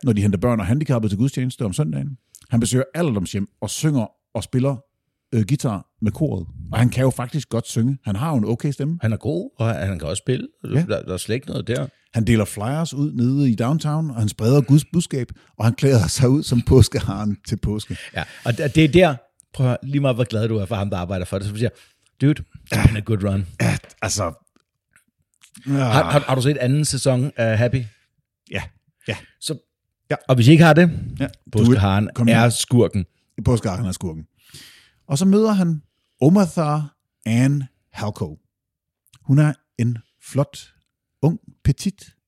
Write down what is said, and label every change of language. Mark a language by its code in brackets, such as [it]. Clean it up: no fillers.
[da] Når de henter børn og handicappede til gudstjeneste om søndagen. Han besøger alderdomshjem og synger og spiller guitar med koret. Og han kan jo faktisk godt synge. Han har jo en okay stemme. Han er god, og han kan også spille. Ja. Der er slet ikke noget der. Han deler flyers ud nede i downtown, og han spreder Guds budskab, og han klæder sig ud som påskeharen til påske. Ja, og det er der, prøv at høre, lige meget hvor glad du er for ham, der arbejder for det. Så siger, [en] dude, it's been a good run. [da] Ja, altså. Har du set anden sæson af Happy? Ja. Ja. Så, ja. Og hvis I ikke har det, ja. Påskeharen er skurken. Påskeharen er skurken. Og så møder han Omatha Ann Halko. Hun er en flot, ung, petit